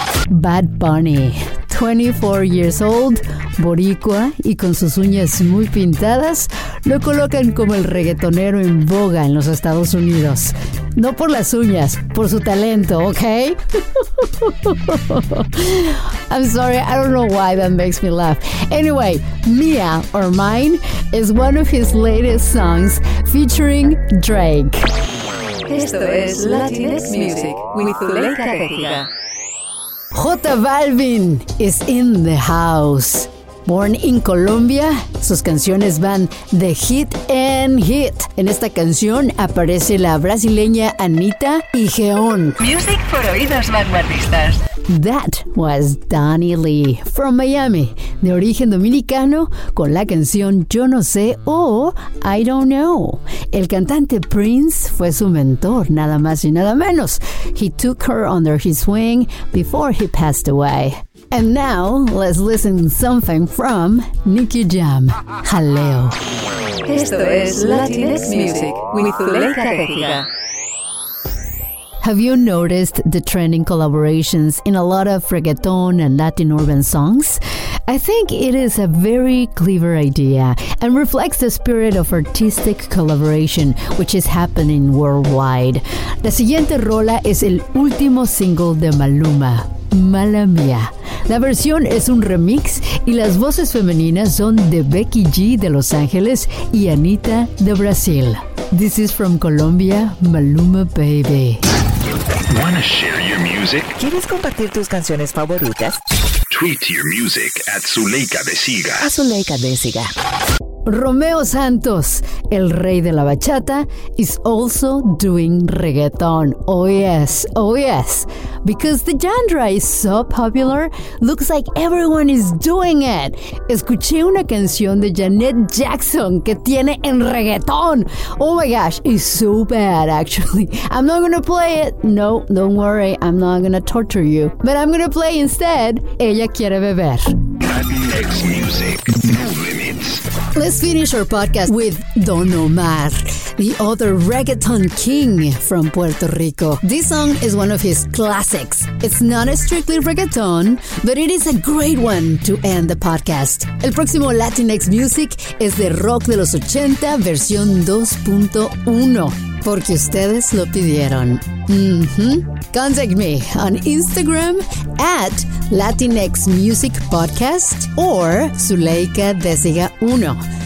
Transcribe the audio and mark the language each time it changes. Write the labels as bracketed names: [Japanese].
[Spanish] Bad Bunny, [English] 24 years old, [Spanish] boricua y con sus uñas muy pintadas, lo colocan como el reggaetonero en boga en los Estados Unidos. No por las uñas, por su talento, ¿ok? [English] I'm sorry, I don't know why that makes me laugh. Anyway, Mia or Mine is one of his latest songs featuring Drake. [Spanish] Esto es Latinx Music [English] with Zuleika Vega. J Balvin is in the house. Born in Colombia, [Spanish] sus canciones van de hit en hit. En esta canción aparece la brasileña Anita y Geon. [English] Music for [Spanish] oídos vanguardistas. [English] That was Donny Lee from Miami, [Spanish] de origen dominicano, con la canción Yo No Sé o I Don't Know. El cantante Prince fue su mentor, nada más y nada menos. [English] He took her under his wing before he passed away. And now, let's listen something from Nicky Jam, Jaleo. [Spanish] Esto es Latinx Music with Zuleika Tejida. [English] Have you noticed the trending collaborations in a lot of reggaeton and Latin urban songs? I think it is a very clever idea and reflects the spirit of artistic collaboration which is happening worldwide. [Spanish] La siguiente rola es el último single de Maluma, Mala Mía. La versión es un remix y las voces femeninas son de Becky G de Los Ángeles y Anita de Brasil. [English] This is from Colombia, Maluma Baby. Wanna share your music? [Spanish] ¿Quieres compartir tus canciones favoritas? [English] Tweet your music at Zuleika de Siga. [Spanish] A Zuleika de Siga. Romeo Santos, el rey de la bachata, [English] is also doing reggaeton. Oh yes, oh yes. Because the genre is so popular, looks like everyone is doing it. [Spanish] Escuché una canción de Janet Jackson que tiene en reggaeton. [English] Oh my gosh, it's so bad actually. I'm not gonna play it. No, don't worry, I'm not gonna torture you. But I'm gonna play instead, Ella Quiere Beber. Latinx Music, no limits. Let's finish our podcast with Don Omar, the other reggaeton king from Puerto Rico. This song is one of his classics. It's not a strictly reggaeton, but it is a great one to end the podcast. [Spanish] El próximo Latinx Music es de Rock de los 80, versión 2.1. Porque ustedes lo pidieron. [English] Contact me on Instagram at Latinx Music Podcast or Zuleika Desiga 1.